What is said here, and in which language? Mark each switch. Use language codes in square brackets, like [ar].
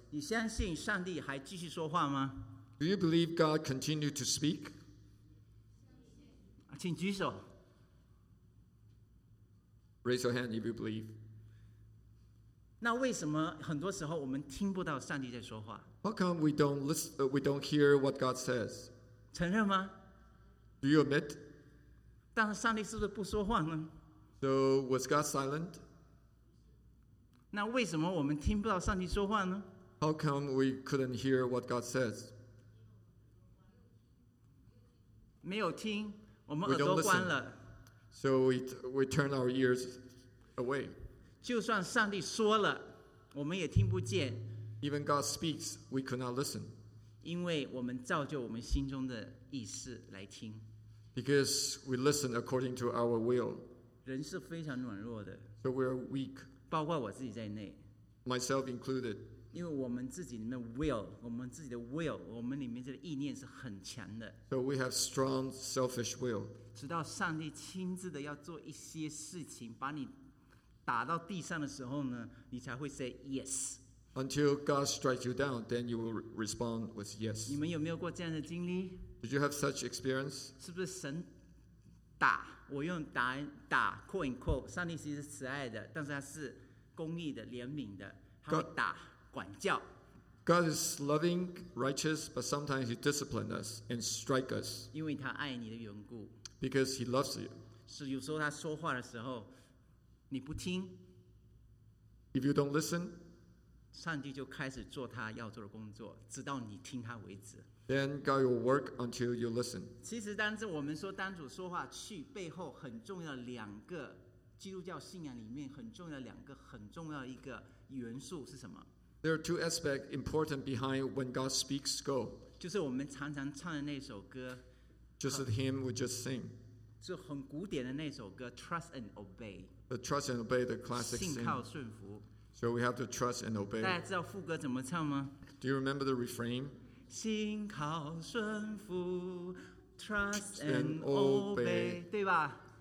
[zh] 你相信上帝还继续说话吗？ [en] Do you believe God continue to speak? [zh] 请举手。 [en] Raise your hand if you believe. [zh] 那为什么很多时候我们听不到上帝在说话？ [en] How come we don't listen, we don't hear what God says? [zh] 承认吗？ [en] Do you admit? [zh] 但是上帝是不是不说话呢？ [en] So was God silent? [zh] 那为什么我们听不到上帝说话呢？ [en] How come we couldn't hear what God says? [zh] 没有听，我们耳朵关了。 [en] So we turn our ears away. [zh] 就算上帝说了，我们也听不见。 [en] Even God speaks, we could not listen. [zh] 因为我们照就我们心中的意思来听。 [en] Because we listen according to our will. [zh] 人是非常软弱的。 [en] So we are weak. [zh] 包括我自己在内。 [en] Myself included. [zh] 因为我们自己里面 will, 我们自己的 will, 我们里面这个意念是很强的。 [en] So we have strong selfish will. [zh] 直到上帝亲自的要做一些事情，把你打到地上的时候呢，你才会 [en] say yes. Until God strikes you down, then you will respond with yes. [zh] 你们有没有过这样的经历？ [en] Did you have such experience? [zh] 是不是神打，我用打，打 [en] quote unquote， [zh] 上帝其实是慈爱的，但是他是公义的，怜悯的，他会打，管教。 [en] God is loving, righteous, but sometimes he disciplines us and strikes us. [zh] 因为他爱你的缘故。 [en] Because he loves you. [zh] 是有时候他说话的时候，你不听。 [en] If you don't listen, [zh] 上帝就开始做他要做的工作，直到你听他为止。 [en] Then God will work until you listen. [zh] 其实当时我们说当主说话去背后很重要的两个基督教信仰里面很重要的两个很重要的一个元素是什么？ [en] There are two aspects important behind when God speaks go. [zh] 就是我们常常唱的那首歌 [en] Just the hymn we just sing. [zh] 是很古典的那首歌 Trust and Obey. [en] The Trust and Obey, the classic [zh] hymn. 信靠顺服。 [en] So we have to trust and obey. [zh] 大家知道副歌怎么唱吗？ [en] Do you remember the refrain? [zh] 信靠顺服 [en] Trust and obey [zh] 对吧？